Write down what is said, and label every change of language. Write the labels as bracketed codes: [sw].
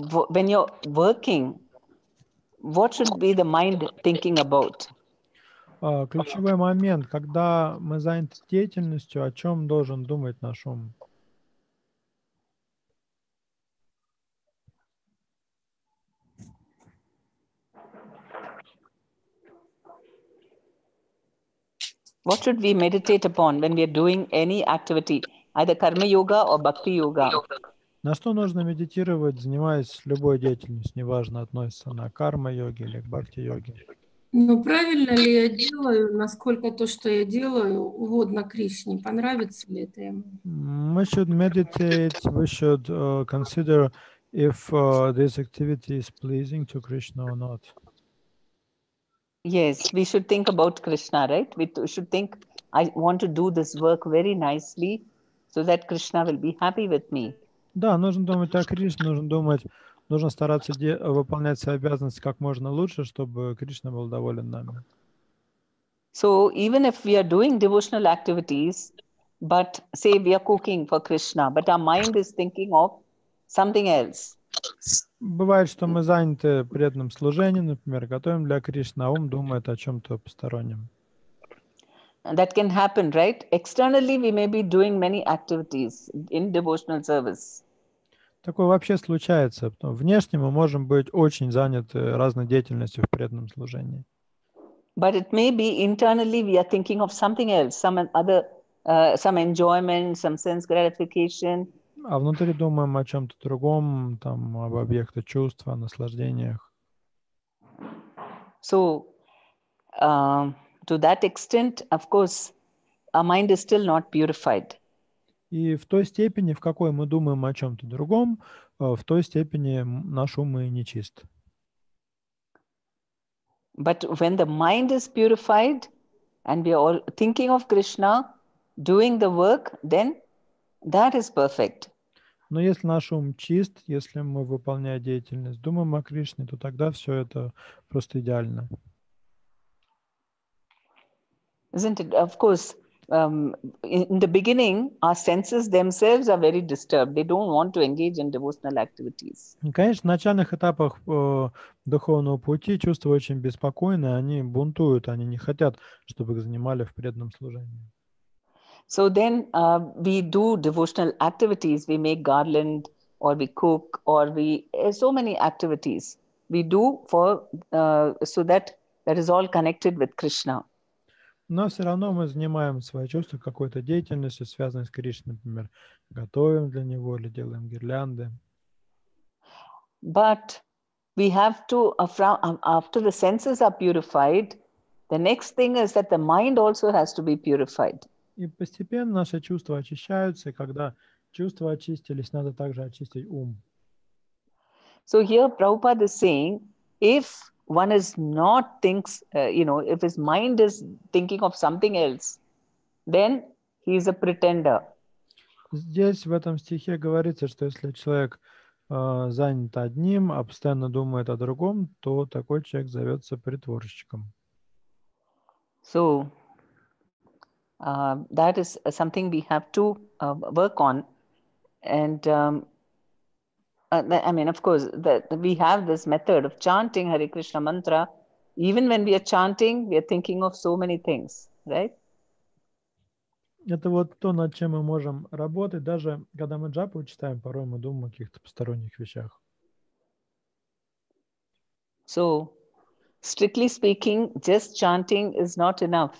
[en] When you're working, what should be the mind thinking about? [ru] Ключевой момент, когда мы заняты деятельностью, о чем должен думать наш ум? [en] What should we meditate upon when we are doing any activity, either karma yoga or bhakti yoga? [ru] На что нужно медитировать, занимаясь любой деятельностью, неважно, относится она к карма-йоге или к бхакти-йоге? Ну, правильно ли я делаю, насколько то, что я делаю, угодно Кришне? Понравится ли это ему? Мы [en] should meditate, we should consider if this activity is pleasing to Krishna or not. Yes, we should think about Krishna, right? We should think, I want to do this work very nicely, so that Krishna will be happy with me. [ru] Да, нужно думать о Кришне, нужно думать, нужно стараться выполнять свои обязанности как можно лучше, чтобы Кришна был доволен нами. [en] So even if we are doing devotional activities, but say we are cooking for Krishna, but our mind is thinking of something else. [ru] Бывает, что мы заняты преданным служением, например, готовим для Кришны, а ум думает о чем-то постороннем. [en] That can happen, right? Externally, we may be doing many activities in devotional service. [ru] Такое вообще случается. Внешне мы можем быть очень заняты разной деятельностью в преданном служении. [en] But it may be internally we are thinking of something else, some other, some enjoyment, some sense gratification. [ru] А внутри думаем о чем-то другом, там, об объектах чувства, о наслаждениях. [en] So, to that extent, of course, our mind is still not purified. [ru] И в той степени, в какой мы думаем о чем-то другом, в той степени наш ум и не чист. [en] But when the mind is purified, and we are all thinking of Krishna, doing the work, then that is perfect. [ru] Но если наш ум чист, если мы выполняем деятельность, думаем о Кришне, то тогда все это просто идеально. [en] Isn't it? Of course, in the beginning, our senses themselves are very disturbed. They don't want to engage in devotional activities. [ru] Конечно, в начальных этапах духовного пути чувства очень беспокойны, они бунтуют, они не хотят, чтобы их занимали в преданном служении. [en] So then we do devotional activities. We make garland, or we cook, or we so many activities we do for so that that is all connected with Krishna. [ru] Но все равно мы занимаем свои чувства какой-то деятельностью, связанной с Кришной, например, готовим для него или делаем гирлянды. [en] But we have to, after the senses are purified, the next thing is that the mind also has to be purified. [ru] И постепенно наши чувства очищаются, и когда чувства очистились, надо также очистить ум. [en] So here Prabhupada is saying, if one is not thinks, you know, if his mind is thinking of something else, then he is a pretender. [ru] Здесь в этом стихе говорится, что если человек занят одним, а постоянно думает о другом, то такой человек зовется притворщиком. [en] So that is something we have to work on, and I mean, of course, that we have this method of chanting Hare Krishna mantra. Even when we are chanting, we are thinking of so many things, right? [ru] Это вот то, над чем мы можем работать. Даже когда мы джапу читаем, порой мы думаем о каких-то посторонних вещах. [en] So, strictly speaking, just chanting is not enough.